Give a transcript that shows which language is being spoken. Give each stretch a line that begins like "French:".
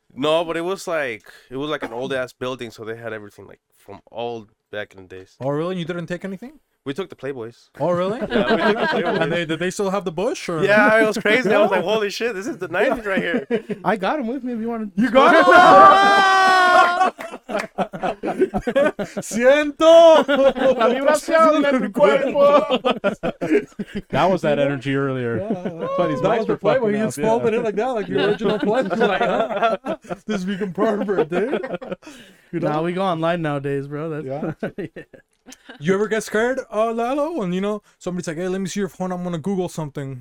English: No, but it was like an old-ass building, so they had everything, like, from old back in the days. Oh, really? And you didn't take anything? We took the Playboys. Oh, really? Yeah, we took the Playboys. And did they still have the bush? Or? Yeah, it was crazy. I was like, holy shit, this is the 90s right here. I got them with me if you want to. You got them?
Spanish: Siento la vibración en tu cuerpo.
English: That was that energy earlier. Yeah, that was the point where he just folded it like that, like the original pledge. Like, huh? This is becoming pervert, dude. You know? Nah, we go online nowadays, bro. That's... Yeah. You ever get scared, Lalo? And you know, somebody's like, hey, let me see your phone. I'm going to Google something.